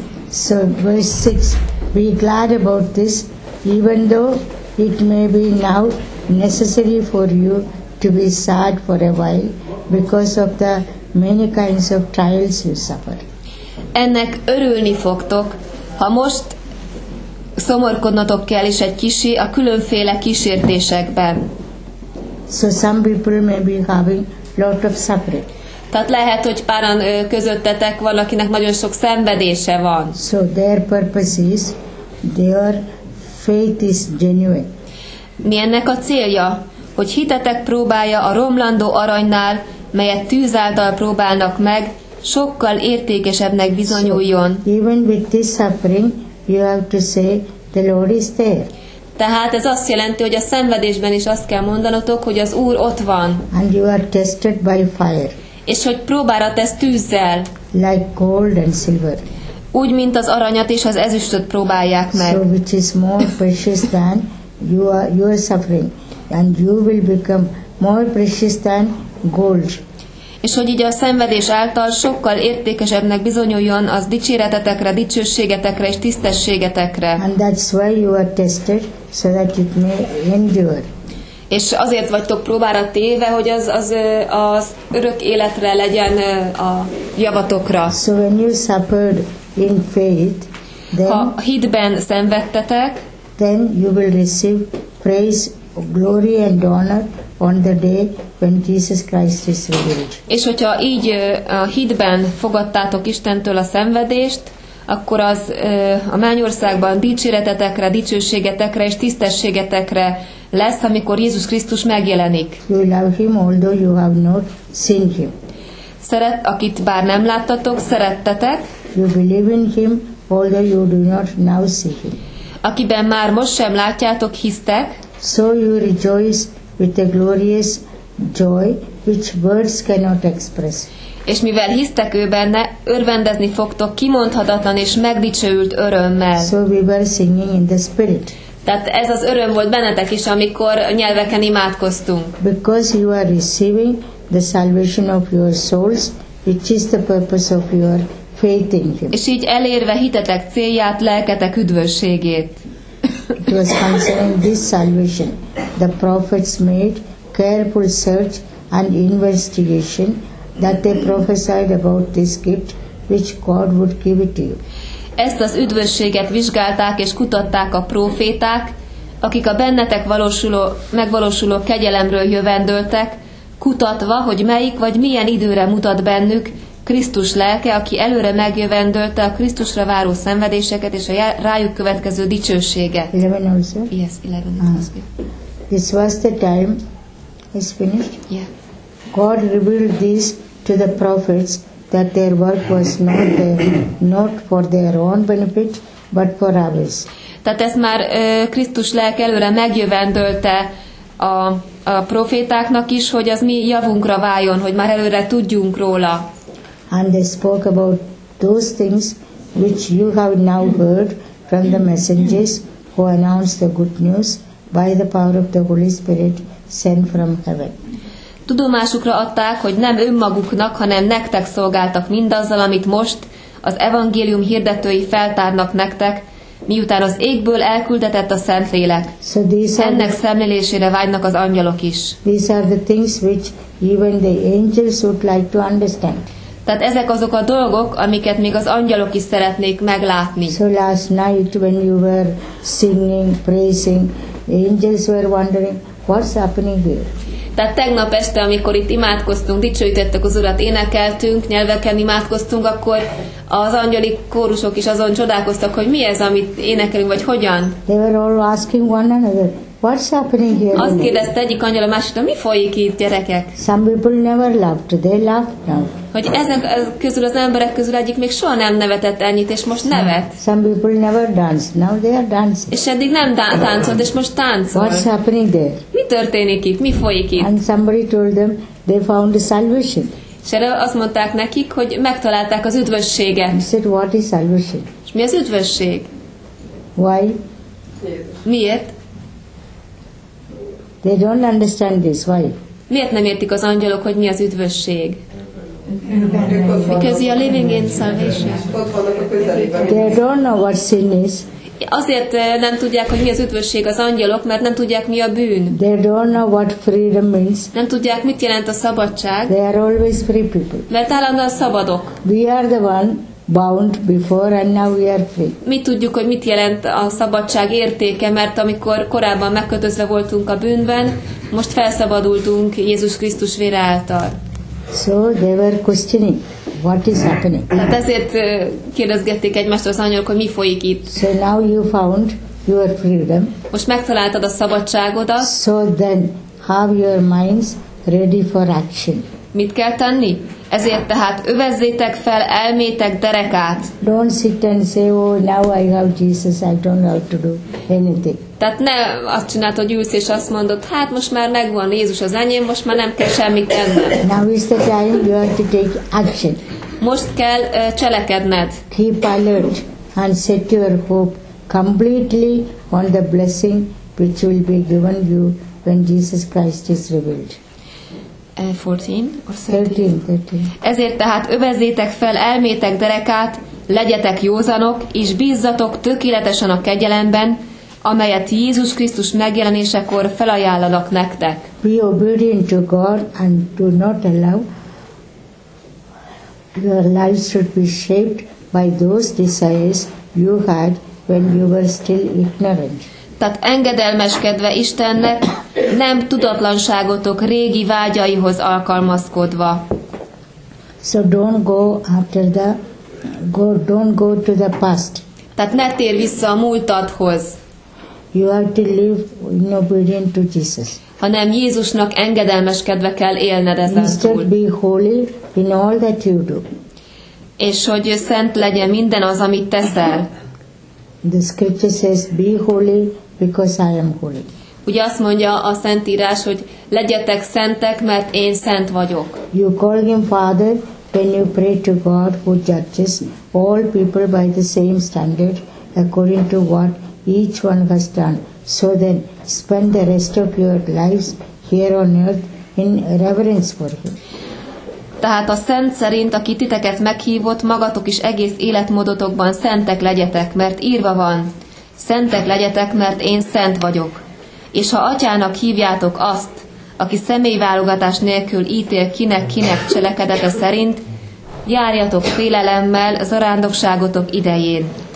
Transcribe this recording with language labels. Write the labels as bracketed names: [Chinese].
[English] So verse 6, be glad about this, even though it may be now necessary for you to be sad for a while because of the many kinds of trials you suffer. [Hungarian] Ennek örülni fogtok, ha most szomorkodnotok kell is egy kicsi a különféle kísértésekben. [English] So some people may be having lot of suffering. [Hungarian] Tehát lehet, hogy páran közöttetek van, akinek nagyon sok szenvedése van. [English] So their purpose is, their faith is genuine. [Hungarian] Mi ennek a célja? Hogy hitetek próbálja a romlandó aranynál, melyet tűz által próbálnak meg, sokkal értékesebbnek bizonyuljon. [English] So, even with this suffering, you have to say, the Lord is there. [Hungarian] Tehát ez azt jelenti, hogy a szenvedésben is azt kell mondanotok, hogy az Úr ott van. [English] And you are tested by fire. [Hungarian] És hogy próbára tesz tűzzel. [English] Like gold and silver. [Hungarian] Úgy, mint az aranyat és az ezüstöt próbálják meg. [English] So which is more precious than your suffering. And you will become more precious than gold. [Hungarian] És hogy így a szenvedés által sokkal értékesebbnek bizonyuljon az dicséretetekre, dicsőségetekre és tisztességetekre. [English] And that's why you are tested, so that it may endure. [Hungarian] És azért vagytok próbára téve, hogy az örök életre legyen a javatokra. [English] So when you suffered in faith, then, [Hungarian] ha hitben szenvedtetek, [English] then you will receive praise, glory and honor on the day when Jesus Christ is revealed. [Hungarian] És hogyha így a hitben fogadtátok Istentől a szenvedést, akkor az a mennyországban dicséretetekre, dicsőségetekre és tisztességetekre lesz, amikor Jézus Krisztus megjelenik. [English] You love him, although you have not seen him. [Hungarian] Szeret, akit bár nem láttatok, szerettetek. [English] You believe in him, although you do not now see him. [Hungarian] Akiben már most sem látjátok, hisztek. [English] So you rejoice with a glorious joy, which words cannot express. [Hungarian] És mivel hisztek ő benne, örvendezni fogtok kimondhatatlan és megdicsőült örömmel. [English] So we were singing in the spirit. [Hungarian] Tehát ez az öröm volt bennetek is, amikor nyelveken imádkoztunk. [English] Because you are receiving the salvation of your souls, which is the purpose of your faith in him. [Hungarian] És így elérve hitetek célját, lelketek üdvösségét. [English] It was concerning this salvation. The prophets made careful search and investigation that they prophesied about this gift, which God would give it to you. [Hungarian] Ezt az üdvösséget vizsgálták és kutatták a proféták, akik a bennetek megvalósuló kegyelemről jövendöltek, kutatva, hogy melyik vagy milyen időre mutat bennük Krisztus lelke, aki előre megjövendölte a Krisztusra váró szenvedéseket és a rájuk következő dicsőséget. [English] 11 also? Yes, 11 also. This was the time, is finished? Yeah. God revealed this to the prophets that their work was not for their own benefit, but for others. [Hungarian] Tehát ezt már Krisztus lelke előre megjövendölte a profétáknak is, hogy az mi javunkra váljon, hogy már előre tudjunk róla. [English] And they spoke about those things which you have now heard from the messengers who announced the good news by the power of the Holy Spirit sent from heaven. [Hungarian] Tudomásukra adták, hogy nem önmaguknak, hanem nektek szolgáltak mindazzal, amit most az evangélium hirdetői feltárnak nektek, miután az égből elküldetett a Szentlélek. [English] So [Hungarian] ennek szemlélésére vágynak az angyalok is. [English] These are the things which even the angels would like to understand. [Hungarian] Tehát ezek azok a dolgok, amiket még az angyalok is szeretnék meglátni. [English] So last night when you were singing, praising, angels were wondering what's happening here. [Hungarian] Tehát tegnap este, amikor itt imádkoztunk, dicsőítettek az Urat, énekeltünk, nyelveken imádkoztunk, akkor az angyali kórusok is azon csodálkoztak, hogy mi ez, amit énekelünk, vagy hogyan. [English] They were all asking one another, what's happening here? [Hungarian] Azt kérdezte egyik angyal a másiktól, mi folyik itt, gyerekek? [English] Some people never laughed, they laughed now. [Hungarian] Hogy ezek közül az emberek közül egyik még soha nem nevetett ennyit, és most nevet. [English] Some people never danced, now they are dancing. [Hungarian] És eddig nem táncolt, és most táncol. [English] What's happening there? [Hungarian] Mi történik itt? Mi folyik itt? [English] And somebody told them, they found the salvation. [Hungarian] És erre azt mondták nekik, hogy megtalálták az üdvösséget. [English] He said, what is salvation? [Hungarian] És mi az üdvösség? [English] Why? [Hungarian] Miért? [English] They don't understand this, why? [Hungarian] Miért nem értik az angyalok, hogy mi az üdvösség? [English] Because you are living in salvation. They don't know what sin is. [Hungarian] Azért nem tudják, hogy mi az üdvösség az angyalok, mert nem tudják, mi a bűn. [English] They don't know what freedom means. [Hungarian] Nem tudják, mit jelent a szabadság. [English] They are always free people. [Hungarian] Mert állandóan szabadok. [English] We are the one bound before and now we are free. [Hungarian] Mi tudjuk, hogy mit jelent a szabadság értéke, mert amikor korábban megkötözve voltunk a bűnben, most felszabadultunk Jézus Krisztus vére által. [English] So they were questioning, what is happening? [Hungarian] Tehát ezért kérdezgették egymást az angyalok, hogy mi folyik itt. [English] So now you found your freedom. [Hungarian] Most megtaláltad a szabadságodat. [English] So then have your minds ready for action. [Hungarian] Mit kell tenni? Ezért tehát övezzétek fel elmétek derekát. [English] Don't sit and say, oh, now I have Jesus, I don't have to do anything. [Hungarian] Tehát ne azt csinált, hogy ülsz és azt mondod, hát most már megvan Jézus az enyém, most már nem kell semmit tennem. [English] Now is the time you have to take action. [Hungarian] Most kell cselekedned. [English] Keep alert and set your hope completely on the blessing which will be given you when Jesus Christ is revealed. 13. [Hungarian] Ezért tehát övezzétek fel elmétek derekát, legyetek józanok, és bízzatok tökéletesen a kegyelemben, amelyet Jézus Krisztus megjelenésekor felajánlanak nektek. [English] Be obedient to God and do not allow your lives to be shaped by those desires you had when you were still ignorant. [Hungarian] Tehát engedelmeskedve Istennek, nem tudatlanságotok régi vágyaihoz alkalmazkodva. [English] So don't go after the go don't go to the past. [Hungarian] Tehát ne térj vissza a múltadhoz. [English] You have to live in obedience to Jesus. [Hungarian] Hanem Jézusnak engedelmeskedve kell élned ezentúl. [English] Be holy in all that you do. [Hungarian] És hogy szent legyen minden az, amit teszel. [English] The scripture says, be holy because I am holy. [Hungarian] Ugye azt mondja a Szentírás, hogy legyetek szentek, mert én szent vagyok. [English] You call him Father when you pray to God who judges all people by the same standard according to what each one has done. So then spend the rest of your lives here on earth in reverence for him. [Hungarian] Tehát a szent szerint, aki titeket meghívott, magatok is egész életmódotokban szentek legyetek, mert írva van, szentek legyetek, mert én szent vagyok. És ha atyának hívjátok azt, aki személyválogatás nélkül ítél kinek-kinek cselekedete szerint, járjatok félelemmel zarándokságotok idején.